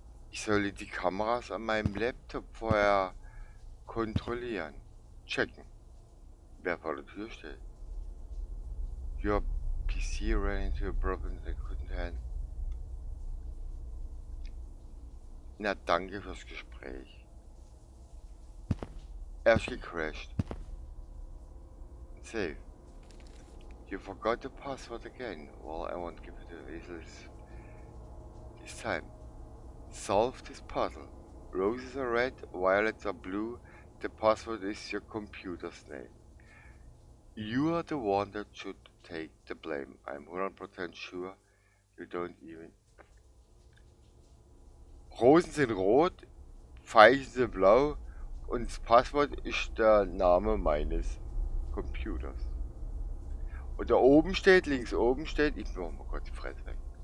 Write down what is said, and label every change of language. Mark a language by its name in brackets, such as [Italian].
[German] Ich soll die Kameras an meinem Laptop vorher kontrollieren. Checken. Wer vor der Tür steht. [English] Your PC ran into a problem that couldn't handle. [German] Na, danke fürs Gespräch. Er ist gecrashed. Save. [English] You forgot the password again. Well, I won't give it a whistle this time. Solve this puzzle. Roses are red, violets are blue. The password is your computer's name. You are the one that should take the blame. I'm 100% sure you don't even... [German] Rosen sind rot, Pfeilchen sind blau und das Passwort ist der Name meines Computers. Und da oben steht, links oben steht, ich mach mal kurz die Fresse weg.